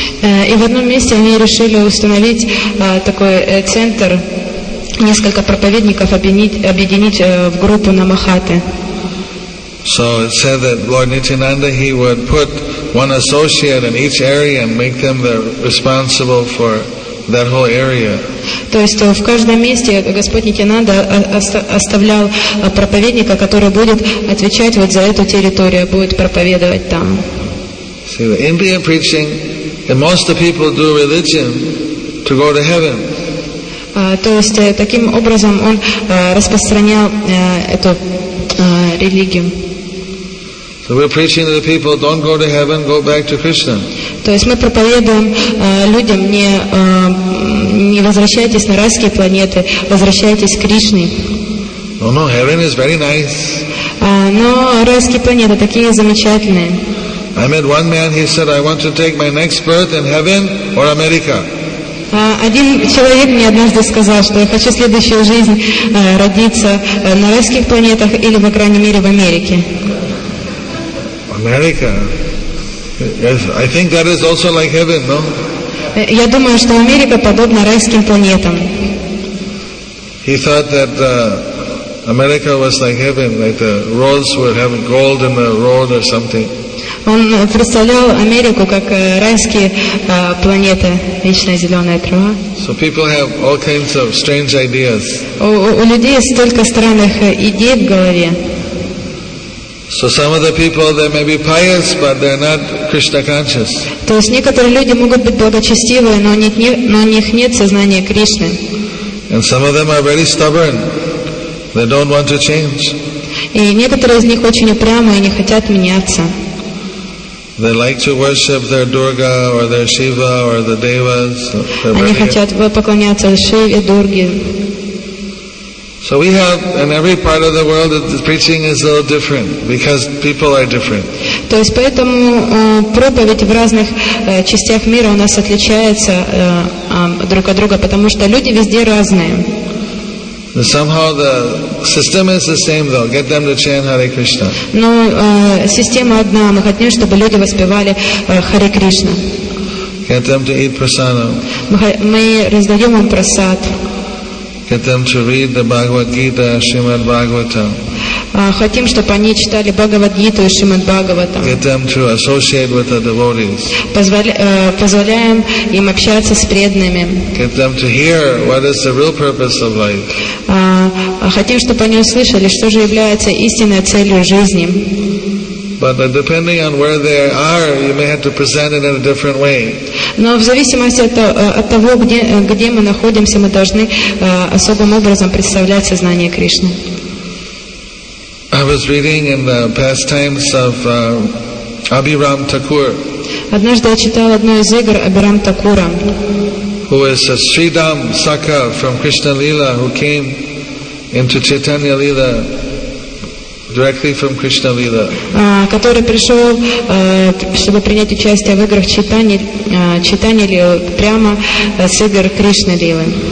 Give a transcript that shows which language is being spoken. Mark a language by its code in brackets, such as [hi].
[ru] И в одном месте они решили установить такой центр, несколько проповедников объединить в группу Намахаты. [en] So it said that Lord Nityananda, he would put one associate in each area and make them the responsible for that whole area. [ru] То есть в каждом месте Господь Нитянанда оставлял проповедника, который будет отвечать вот за эту территорию, будет проповедовать там. [en] See, the Indian preaching, and most of the people do religion to go to heaven. [ru] То есть таким образом он распространял эту религию. [en] So we're preaching to the people, don't go to heaven, go back to Krishna. [ru] То есть мы проповедуем людям, не возвращайтесь на райские планеты, возвращайтесь к Кришне. [en] Oh no, heaven is very nice. [ru] Но райские планеты такие замечательные. [en] I met one man, he said, I want to take my next birth in heaven or America. [ru] Один человек мне однажды сказал, что я хочу следующую жизнь родиться на райских планетах или, по крайней мере, в Америке. [en] America. Yes, I think that is also like heaven, no? [ru] Я думаю, что Америка подобна райским планетам. [en] He thought that America was like heaven, like the roads would have gold in the road or something. [ru] Он представлял Америку как райские планеты, вечная зеленая трава. [en] So people have all kinds of strange ideas. [ru] У людей столько странных идей в голове. [en] So some of the people, they may be pious, but they're not Krishna conscious. [ru] То есть некоторые люди могут быть благочестивые, но у них нет сознания Кришны. [en] And some of them are very stubborn. They don't want to change. [ru] И некоторые из них очень упрямые и не хотят меняться. [en] They like to worship their Durga or their Shiva or the Devas. [ru] Они хотят поклоняться Шиве, Дурге. [en] So we have in every part of the world that the preaching is a little different because people are different. [ru] То есть поэтому проповедь в разных частях мира у нас отличается друг от друга, потому что люди везде разные. [en] Somehow the system is the same though. Get them to chant Hare Krishna. [ru] Но система одна. Мы хотим, чтобы люди воспевали Харе Кришна. [en] Get them to eat prasada. [ru] Мы раздаем им прасад. [en] Get them to read the Bhagavad Gita, Shrimad Bhagavatam. [ru] Хотим, чтобы они читали Бхагавад Гиту и Шримад Бхагаватам. [en] Get them to associate with the devotees. [ru] Позволяем им общаться с преданными. [en] Get them to hear what is the real purpose of life. [ru] Хотим, чтобы они услышали, что же является истинной целью жизни. [en] But depending on where they are, you may have to present it in a different way. [ru] Но в зависимости от того, где мы находимся, мы должны особым образом представлять сознание Кришны. [en] I was reading in the pastimes of Abhiram Thakur. [ru] Однажды я читал одну из игр Абирам Такура. [en] Who is a Sridham Sakha from Krishna Lila who came into Chaitanya Lila directly from Krishna Lila. [ru] Который пришел, чтобы принять участие в играх Chaitanya Lila прямо с игр Krishna Lila.